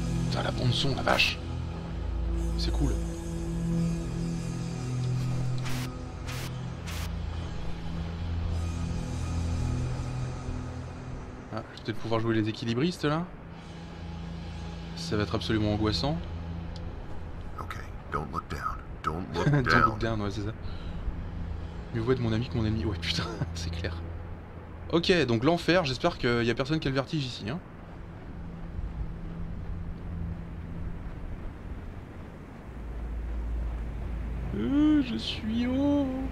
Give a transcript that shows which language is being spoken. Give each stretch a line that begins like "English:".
French: Putain, la bande son, la vache. C'est cool. De pouvoir jouer les équilibristes là, ça va être absolument angoissant.
English: Ok, don't look down, don't look down. Don't look down, ouais, c'est ça.
French: Mieux vaut être mon ami que mon ennemi, ouais, putain, c'est clair. Ok, donc l'enfer, j'espère qu'il y a personne qui a le vertige ici. Hein. Je suis haut.